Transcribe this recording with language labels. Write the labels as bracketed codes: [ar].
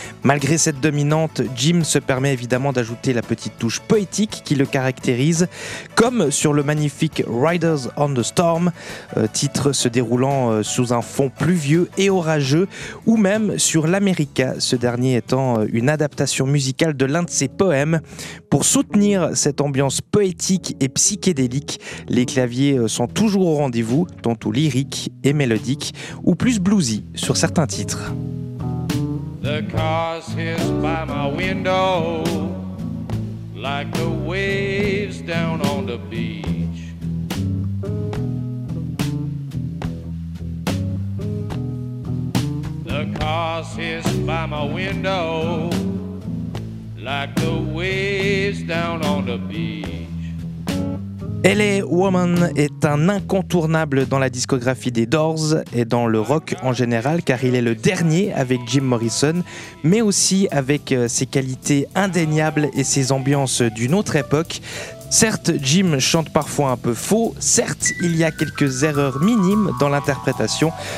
[fr] Malgré cette dominante, Jim se permet évidemment d'ajouter la petite touche poétique qui le caractérise, comme sur le magnifique Riders on the Storm, titre se déroulant sous un fond pluvieux et orageux, ou même sur l'America, ce dernier étant une adaptation musicale de l'un de ses poèmes. Pour soutenir cette ambiance poétique et psychédélique, les claviers sont toujours au rendez-vous, tantôt lyriques et mélodiques, ou plus bluesy sur certains titres. [en] The cars hiss by my window like the waves down on the beach. The cars hiss by my window like the waves down on the beach. [fr] LA Woman est un incontournable dans la discographie des Doors et dans le rock en général, car il est le dernier avec Jim Morrison, mais aussi avec ses qualités indéniables et ses ambiances d'une autre époque. Certes, Jim chante parfois un peu faux, certes, il y a quelques erreurs minimes dans l'interprétation.